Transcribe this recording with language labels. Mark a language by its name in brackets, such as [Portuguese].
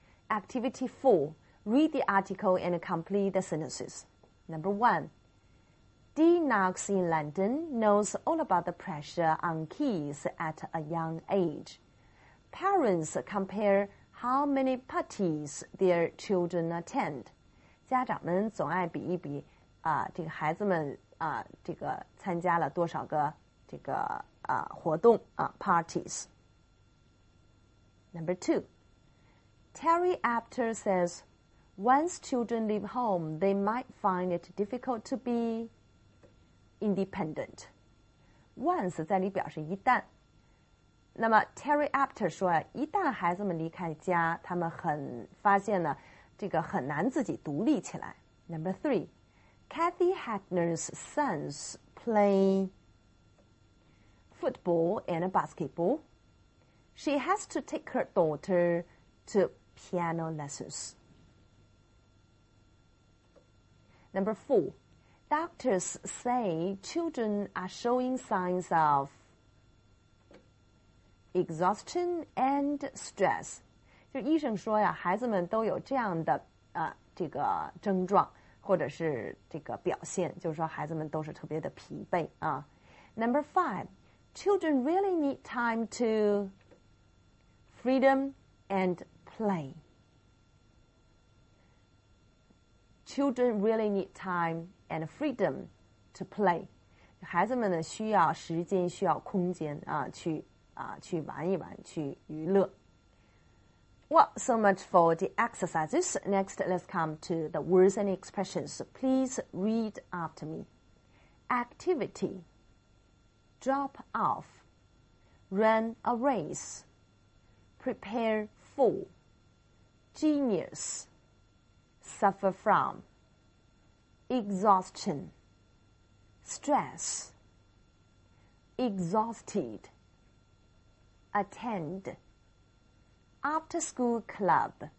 [English] Activity 4. Read the article and complete the sentences. Number 1. Dee Knox in London knows all about the pressure on kids at a young age. Parents compare how many parties their children attend. [Chinese] 家长们总爱比一比啊，这个孩子们啊，这个参加了多少个这个啊活动啊 parties. [English] Number 2. Terry Apter says, once children leave home, they might find it difficult to be independent. [Chinese] Once 在里表示一旦。那么 Terry Apter 说，一旦孩子们离开家，他们很发现呢，这个很难自己独立起来。 [English] Number 3. Kathy Hagner's sons play football and basketball. She has to take her daughter to piano lessons. Number 4. Doctors say children are showing signs of exhaustion and stress. [Chinese] 就医生说呀，孩子们都有这样的啊这个症状或者是这个表现，就是说孩子们都是特别的疲惫啊。 [English] Number 5. Children really need time to... Freedom and play. Children really need time and freedom to play. [Chinese] 孩子们呢需要时间，需要空间啊，去啊去玩一玩，去娱乐。 [English] Well, so much for the exercises. Next, let's come to the words and expressions. Please read after me. Activity. Drop off. Run a race. Prepare for, genius, suffer from, exhaustion, stress, exhausted, attend, after school club,